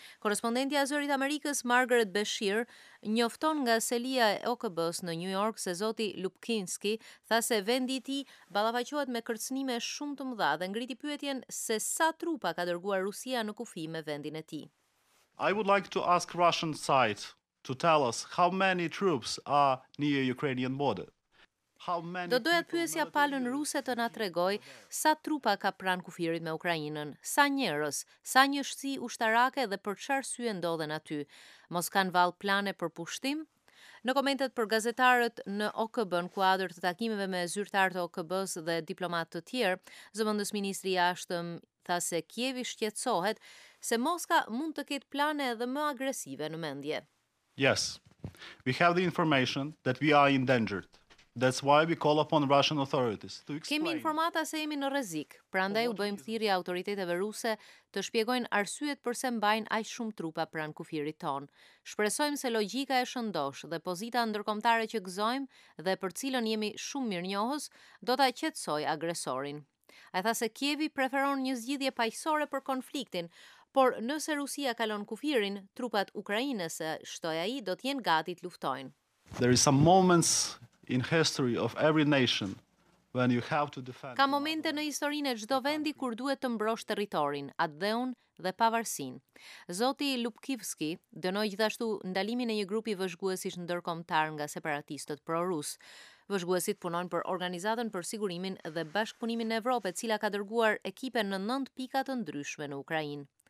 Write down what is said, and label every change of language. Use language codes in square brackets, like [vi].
[sq] Korrespondenti e Zërit Amerikës Margaret Beshear njofton nga selia e OKB-s në New York se zoti Lubkimski tha se vendi i tij ballafaqohet me kërcënime shumë të mëdha dhe ngriti pyetjen se sa trupa ka dërguar Rusia në kufi me vendin e tij. [en] I would like to ask Russian side to tell us how many troops are near Ukrainian border. [sq] Do doja pyesja palën ruse të na tregoj sa trupa ka pranë kufirit me Ukrainën, sa njerëz, sa njësi ushtarake dhe për çfarë syë ndodhen aty. Mos kanë vallë plane për pushtim? Në komentet për gazetarët në OKB në kuadër të takimeve me zyrtarët e OKB-s dhe diplomatë të tjerë, zëvendës ministri i jashtëm tha se Kievi shqetësohet se Moska mund të ketë plane edhe më agresive në mendje. [en] Yes, we have the information that we are endangered. That's why we call upon Russian authorities to explain. [sq] Kemi informata se jemi në rrezik, prandaj u bëjmë thirrje autoriteteve ruse të shpjegojnë arsyet pse mbajnë aq shumë trupa pranë kufirit ton. Shpresojmë se logjika e shëndosh dhe pozita ndërkombëtare që gëzojmë dhe për cilën jemi shumë mirënjohës do ta qetësoj agresorin. Ai tha se Kievi preferon një zgjidhje paqësore për konfliktin, por nëse Rusia kalon kufirin, trupat ukrainase, shtoi ai, do të jenë gati të luftojnë. [en] There is some moments in history of every nation when you have to defend. [sq] Ka momente në historinë e çdo vendi kur duhet të mbrosh territorin, atdheun dhe pavarësinë. Zoti Lubkivski dënoi gjithashtu ndalimin e një grupi vëzhguesish ndërkombëtar nga separatistët pro-rus. Vëzhguesit punojnë për Organizatën për Sigurimin dhe Bashkëpunimin në Evropë, e cila ka dërguar ekipe në 9 pika të ndryshme në Ukrainë.